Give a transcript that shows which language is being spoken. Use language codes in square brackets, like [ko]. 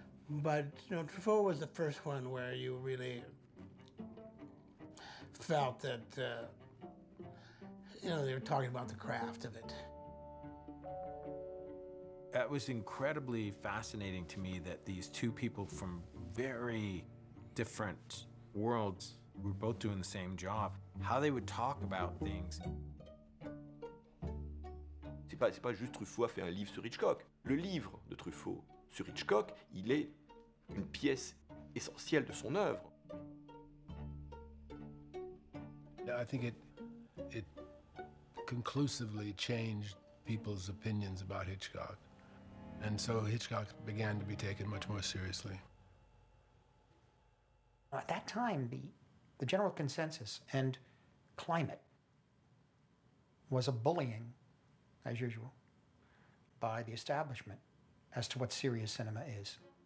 [en] But, you know, Truffaut was the first one where you really felt that, they were talking about the craft of it. That was incredibly fascinating to me, that these two people from very different worlds were both doing the same job, how they would talk about things. [fr] C'est pas juste Truffaut a fait un livre sur Hitchcock. Le livre de Truffaut sur Hitchcock, il est une pièce essentielle de son œuvre. [en] I think it conclusively changed people's opinions about Hitchcock. And so Hitchcock began to be taken much more seriously. At that time, the general consensus and climate was a bullying, as usual, by the establishment as to what serious cinema is.